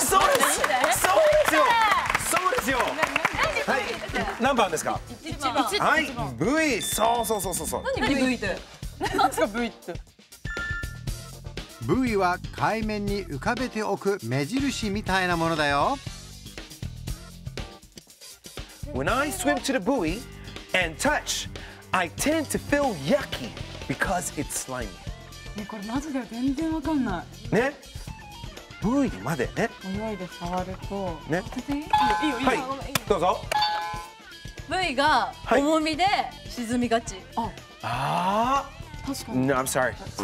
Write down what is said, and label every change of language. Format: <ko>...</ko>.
<ja>そうです、そうですよ、何番ですか？ 1番。はい、V。そうそうそうそうそう。何 V って？何ですか V って？V は海面に浮かべておく目印みたいなものだよ。</ja> <en>When I swim to the buoy and touch, I tend to feel yucky because it's slimy.</en> <ja>ね、これマジで全然わかんない。ね。V までね。泳いで触ると。ね。はい。どうぞ。 V が重みで沈みがち。はい、ああ。確かに。</ja> <en>No, I'm sorry.</en> <ja>違う。</ja>